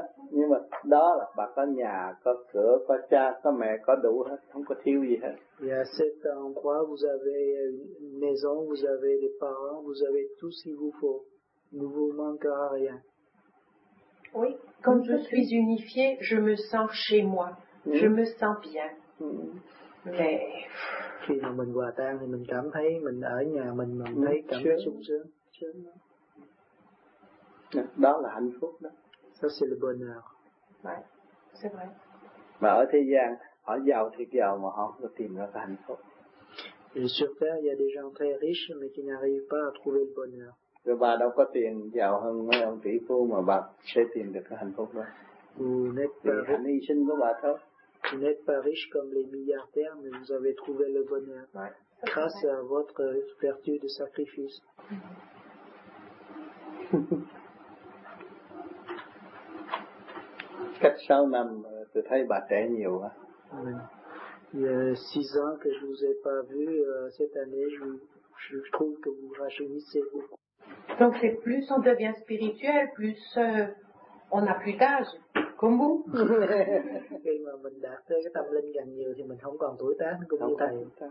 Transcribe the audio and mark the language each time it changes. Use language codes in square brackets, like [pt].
[vi] Nhưng mà đó là bà có nhà, có cửa, có cha, có mẹ, có đủ hết, không có thiếu gì hết. [fr] Yeah, cet endroit, vous avez une maison, vous avez des parents, vous avez tout ce qu'il vous faut. Ne vous manquera rien. Oui, quand je suis unifiée, je me sens chez moi. Je me sens bien. Mais... [vi] Khi mà mình hòa tan thì mình cảm thấy mình ở nhà mình, mình thấy cảm thấy sung sướng. Đó là hạnh phúc đó. [fr] Ça c'est le bonheur. Ouais, c'est vrai. [vi] Mà ở thế gian, họ giàu thì giàu mà họ không tìm ra hạnh phúc. [fr] Et sur terre, il y a des gens très riches mais qui n'arrivent pas à trouver le bonheur. [vi] Rồi bà đâu có tiền giàu hơn mấy ông tỷ phú mà bà sẽ tìm được cái hạnh phúc đó. Hạnh hy sinh của bà thôi. [fr] Vous n'êtes pas riche comme les milliardaires, mais vous avez trouvé le bonheur grâce à votre vertu de sacrifice. [vi] Cách 6 năm, tôi thấy bà trẻ nhiều quá. [fr] Il y a 6 ans que je vous ai pas vu, cette année, je trouve que vous rajeunissez beaucoup. Donc c'est plus on devient spirituel, plus on a plus d'âge. [vi] Không muốn. Khi mà mình đạt tới cái tâm linh càng nhiều thì mình không còn tuổi tác cũng như thầy.